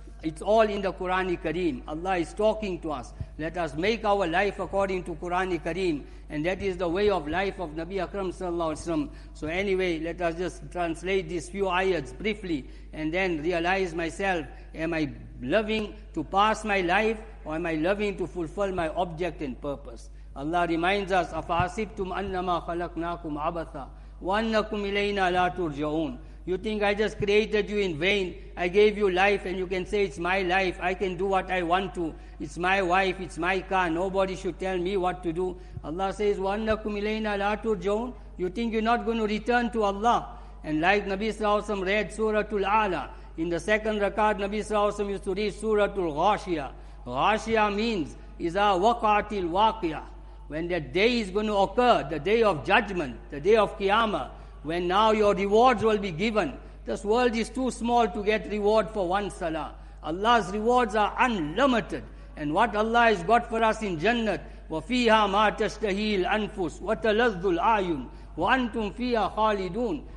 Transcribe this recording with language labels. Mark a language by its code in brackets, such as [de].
[en] It's all in the Quran Kareem. Allah is talking to us. Let us make our life according to Quran Kareem. And that is the way of life of Nabi Akram sallallahu alaihi wasallam. So anyway, let us just translate these few ayats briefly and then realize myself. Am I loving to pass my life or am I loving to fulfill my object and purpose? Allah reminds us, [ar] أَفَحَسِبْتُمْ أَنَّمَا خَلَقْنَاكُمْ عَبَثًا وَأَنَّكُمْ إِلَيْنَا لَا تُرْجَعُونَ. [en] You think I just created you in vain? I gave you life and you can say it's my life. I can do what I want to. It's my wife. It's my car. Nobody should tell me what to do. Allah says, [ar] وَأَنَّكُمْ إِلَيْنَا لَا تُرْجَعُونَ. [en] You think you're not going to return to Allah? And like Nabi Sallallahu Alaihi Wasallam read Suratul A'la. In the second rakat, Nabi Sallallahu Alaihi Wasallam used to read Suratul Ghashiyah. Ghashiyah means, [ar] إِذَا وَقَعَتِ الْوَاقِعَةُ. [en] When that day is going to occur, the day of judgment, the day of Qiyamah, when now your rewards will be given. This world is too small to get reward for one salah. Allah's rewards are unlimited. And what Allah has got for us in Jannah, [ar] وَفِيهَا مَا تَشْتَهِي الْأَنفُسُ وَتَلَذُّ الْأَعْيُنُ وَأَنْتُمْ فِيهَا خَالِدُونَ.